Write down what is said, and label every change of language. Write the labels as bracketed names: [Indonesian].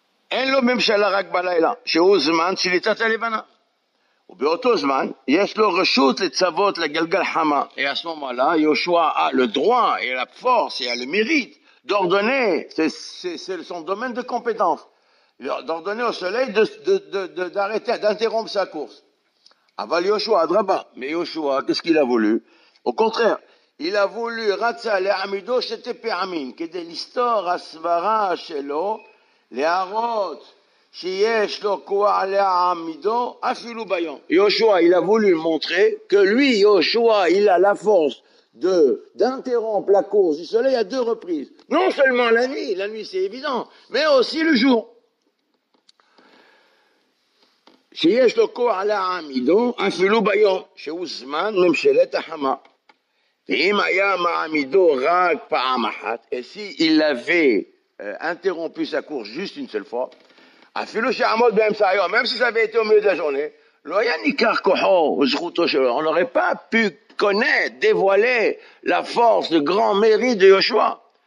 [Hebrew] אין לו ממשלה רק בלילה, שהוא זמן שליטת הלבנה. ובאותו זמן, יש לו רשות לצוות לגלגל חמה. [French] Et à ce moment-là, Yoshua a le droit, et la force, et a le mérite d'ordonner, c'est son domaine de compétence, d'ordonner au soleil d'arrêter, d'interrompre sa course. [Hebrew] Aval Yoshua, adraba. [French] Mais Yoshua, qu'est-ce qu'il a voulu? Au contraire, il a voulu, [Hebrew] ratza le amido shete peramin, kede listor asvara shelo, להראות שיש לו כוח להעמידו אפילו ביום. [French] Yoshua, il a voulu montrer que lui, Yoshua, il a la force d'interrompre la course du soleil à deux reprises. Non seulement la nuit c'est évident, mais aussi le jour. [Hebrew] שיש לו כוח להעמידו אפילו ביום, שהוא זמן ממשלת החמה. ואם היה מעמידו רק פעם אחת, [French] et si il avait interrompu sa course juste une seule fois, même si ça avait été au milieu de la journée, on n'aurait pas pu connaître, dévoiler la force de grand mérite de Yoshua.